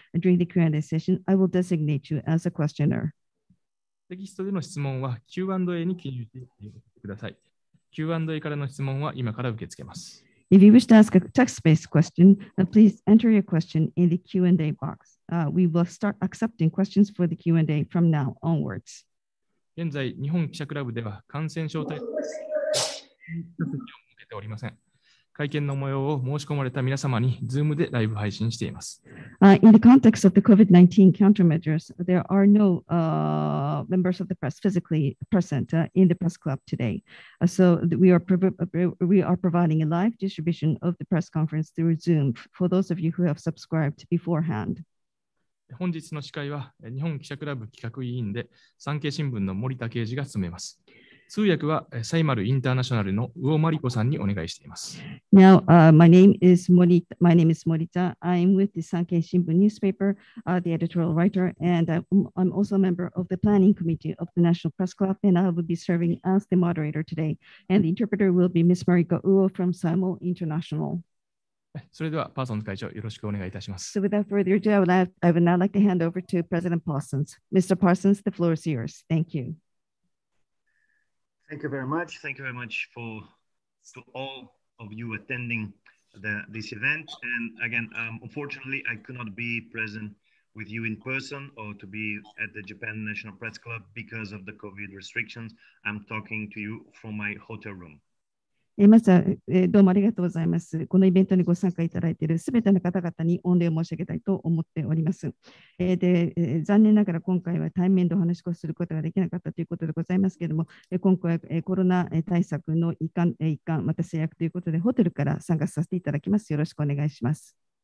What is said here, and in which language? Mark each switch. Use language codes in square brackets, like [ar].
[en] During the Q&A session, I will designate you as a questioner. [ja] テキストでの質問は Q&A に記入してください。 Q&A からの質問は今から受け付けます。 [en] If you wish to ask a text-based question, please enter your question in the Q&A box. We will start accepting questions for the Q&A from now onwards. [ja] 現在、日本記者クラブでは感染症対策に向けておりません。会見の模様を申し込まれた皆様に Zoom でライブ配信しています。 [en] In the context of the COVID-19 countermeasures, there are no members of the press physically present in the press club today. So we are providing a live distribution of the press conference through Zoom for those of you who have subscribed beforehand. [ja] 本日の司会は日本記者クラブ企画委員で産経新聞の森田啓司が務めます。通訳はサイマルインターナショナルの魚真理子さんにお願いしています。 [en] Now, my name is Morita. I'm with the Sankei Shimbun newspaper, the editorial writer, and I'm also a member of the planning committee of the National Press Club, and I will be serving as the moderator today. And the interpreter will be Ms. Mariko Uo from Simul International. [ja] それではパーソンズ会長、よろしくお願いいたします。 [en] So without further ado, I would now like to hand over to President Parsons. Mr. Parsons, the floor is yours. Thank you. Thank you very much. Thank you very much to all of you attending this event. And again, unfortunately, I could not be present with you in person or to be at the Japan National Press Club because of the COVID restrictions. I'm talking to you from my hotel room. [ja] まずはどうもありがとうございます。このイベントにご参加いただいているすべての方々に御礼を申し上げたいと思っております。で、残念ながら今回は対面でお話をすることができなかったということでございますけれども、今回はコロナ対策の一環、また制約ということで、ホテルから参加させていただきます。よろしくお願いします。